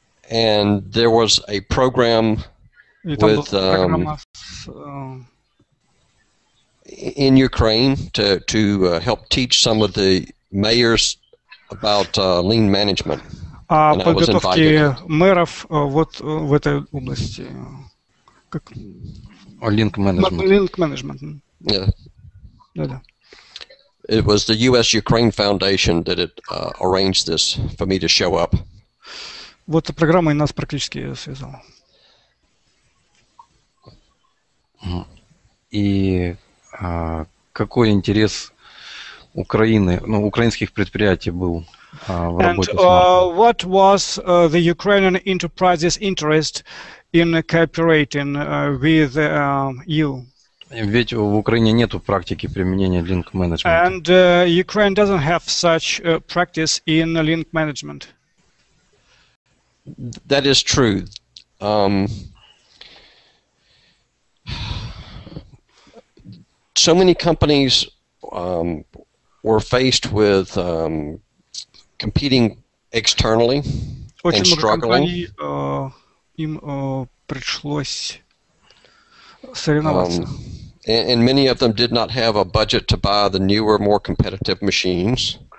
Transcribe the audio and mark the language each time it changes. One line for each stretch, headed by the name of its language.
English: And there was a program with in Ukraine to help teach some of the mayors about lean management.
Russian: Подготовки мэров вот в этой области.
English: Link management. Yeah. It was the U.S. Ukraine Foundation that it arranged this for me to show up.
Russian: Вот программа и нас практически связала. И какой интерес Украины, ну, украинских предприятий был в работе с Марком?
English: What was the Ukrainian enterprise's interest in cooperating with you?
Russian: Ведь в Украине нету практики применения link management.
English: And Ukraine doesn't have such practice in link management. That is true. So many companies were faced with competing externally
Russian: Очень
English: and struggling.
Russian: Пришлось соревноваться.
English: And many of them did not have a budget to buy the newer, more competitive machines.